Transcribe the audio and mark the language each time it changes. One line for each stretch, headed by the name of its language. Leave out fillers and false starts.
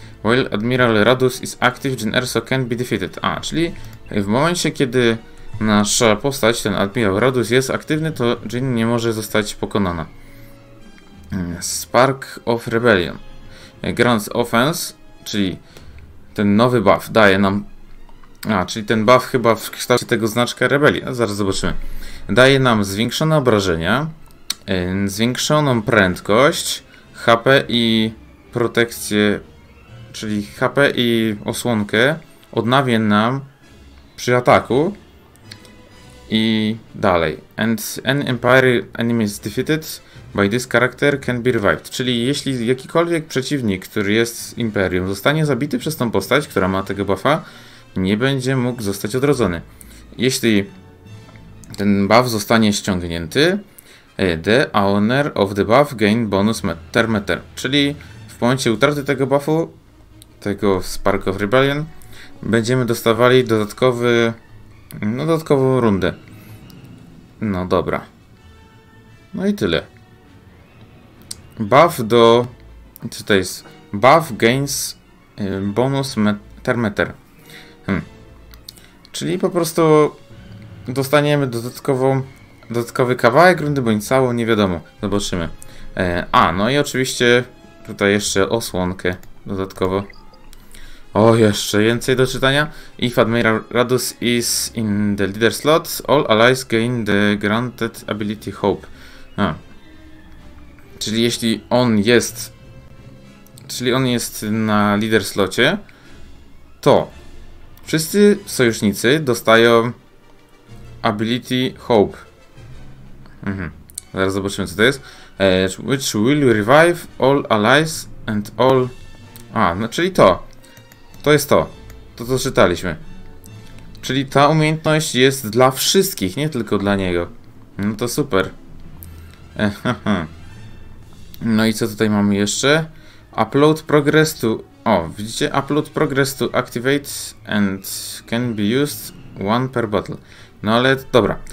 English: While Admiral Radus is active, Jyn Erso can't be defeated.
Polish: A, czyli w momencie, kiedy nasza postać, ten Admiral Radus jest aktywny, to Jyn nie może zostać pokonana.
English: Spark of Rebellion. Grants Offense,
Polish: czyli ten nowy buff daje nam... A, czyli ten buff chyba w kształcie tego znaczka Rebellion. Zaraz zobaczymy. Daje nam zwiększone obrażenia, zwiększoną prędkość, HP i protekcję, czyli HP i osłonkę, odnawia nam przy ataku i dalej.
English: And an Empire enemy is defeated by this character can be revived.
Polish: Czyli jeśli jakikolwiek przeciwnik, który jest z Imperium, zostanie zabity przez tą postać, która ma tego buffa, nie będzie mógł zostać odrodzony. Jeśli ten buff zostanie ściągnięty,
English: the owner of the buff gain bonus meter meter.
Polish: Czyli w momencie utraty tego buffu, tego Spark of Rebellion, będziemy dostawali dodatkową rundę. No dobra. No i tyle. Buff do... Co to jest?
English: Buff gains bonus meter meter.
Polish: Czyli po prostu dostaniemy dodatkowy kawałek rundy, bądź całą, nie wiadomo. Zobaczymy. No i oczywiście tutaj jeszcze osłonkę dodatkowo. O, jeszcze więcej do czytania.
English: If Admiral Radus is in the leader slot, all allies gain the granted ability Hope.
Polish: A. Czyli jeśli on jest... Czyli on jest na leader slocie, to wszyscy sojusznicy dostają ability Hope. Zaraz zobaczymy, co to jest.
English: Which will revive all allies and all...
Polish: czyli to. To jest to. To, co czytaliśmy. Czyli ta umiejętność jest dla wszystkich, nie tylko dla niego. No to super. No i co tutaj mamy jeszcze?
English: Upload progress to...
Polish: O, widzicie?
English: Upload progress to activate and can be used one per battle.
Polish: No ale dobra.